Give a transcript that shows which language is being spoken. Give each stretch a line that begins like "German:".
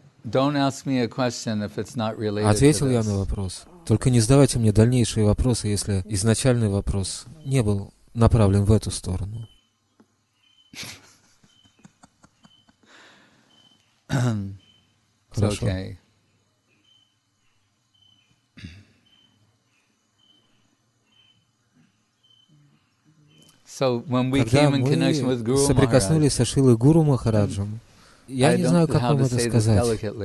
English: Don't ask me a question if it's not related.
Russian: Ответил я на вопрос. Только не задавайте мне дальнейшие вопросы, если изначальный вопрос не был направлен в эту сторону. Хорошо.
English: Okay. So when we came in connection with Guru Maharaj,
Russian: соприкоснулись со Шрилой Гуру Махараджем. Я не знаю, как вам это сказать.